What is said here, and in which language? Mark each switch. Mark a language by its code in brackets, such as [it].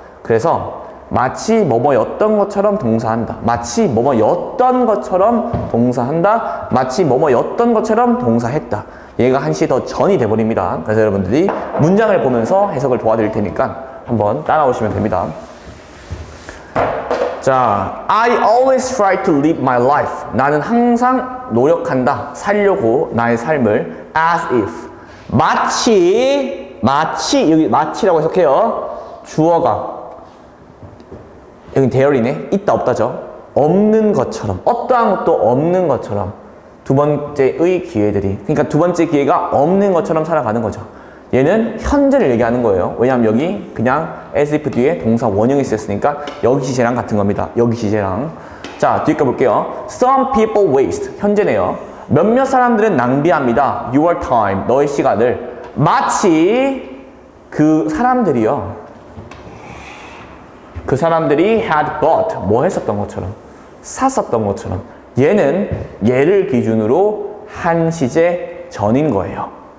[ko] 그래서 마치 뭐뭐였던 것처럼 동사한다. 마치 뭐뭐였던 것처럼 동사한다. 마치 뭐뭐였던 것처럼 동사했다. 얘가 한 시제 더 전이 돼버립니다. 그래서 여러분들이 문장을 보면서 해석을 도와드릴 테니까 한번 따라오시면 됩니다. [en] 자, I always try to live my life. [ko] 나는 항상 노력한다. 살려고 나의 삶을 as if. 마치 여기 마치라고 해석해요. 주어가 여기 대열이네. 있다 없다죠. 없는 것처럼 어떠한 것도 없는 것처럼 두 번째의 기회들이 그러니까 두 번째 기회가 없는 것처럼 살아가는 거죠. 얘는 현재를 얘기하는 거예요. 왜냐하면 여기 그냥 as if 뒤에 동사 원형이 쓰였으니까 여기 시제랑 같은 겁니다. 여기 시제랑 자 뒤에 가볼게요. [en] Some people waste [ko] 현재네요. 몇몇 사람들은 낭비합니다. [en] Your time [ko] 너의 시간을 마치 그 사람들이요. 그 사람들이 [en] had bought [ko] 뭐 했었던 것처럼 샀었던 것처럼 얘는 얘를 기준으로 한 시제 전인 거예요.